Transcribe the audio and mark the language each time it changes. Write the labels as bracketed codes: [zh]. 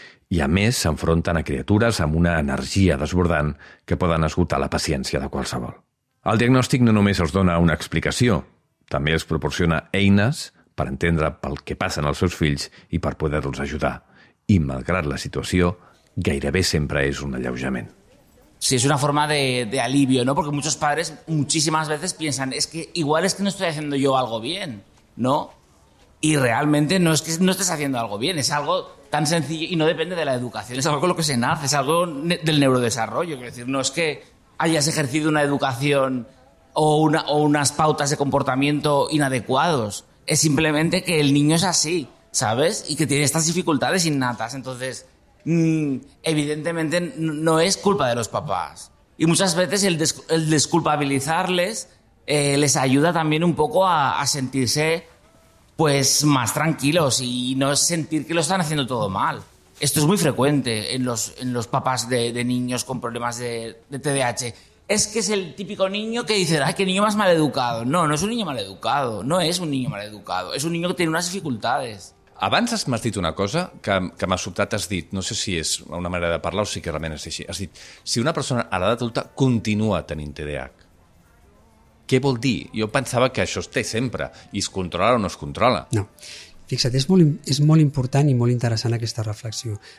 [ca] I a més s'enfronten a criatures amb una energia desbordant que poden esgotar la paciència de qualsevol. El diagnòstic no només els dona una explicació, també els proporciona eines per entendre pel que passen els seus fills i per poder-los ajudar. I malgrat la situació, gairebé sempre és un alleujament. [es] Sí, es una forma de alivio, ¿no? Porque muchos padres muchísimas veces piensan es que igual es que no estoy haciendo yo algo bien, ¿no? Y realmente no es que no estés haciendo algo bien, es algo tan sencillo y no depende de la educación, es algo con lo que se nace, es algo del neurodesarrollo. Quiero decir, no es que hayas ejercido una educación o unas pautas de comportamiento inadecuados, es simplemente que el niño es así, ¿sabes? Y que tiene estas dificultades innatas, entonces evidentemente no es culpa de los papás. Y muchas veces el desculpabilizarles les ayuda también un poco a sentirse pues más tranquilos y no sentir que lo están haciendo todo mal. Esto es muy frecuente en los papás de niños con problemas de TDAH. es que es el típico niño que dice, ay, qué niño más maleducado. No, no es un niño maleducado, no es un niño maleducado, es un niño que tiene unas dificultades. [ca] Abans m'has dit una cosa que m'ha sobtat, has dit, no sé si és una manera de parlar o si que realment és així, has dit, si una persona a l'edat adulta continua tenint TDAH, què vol dir? Jo pensava que això es té sempre, i es controla o no es controla. No, fixa't, és molt important i molt interessant aquesta reflexió.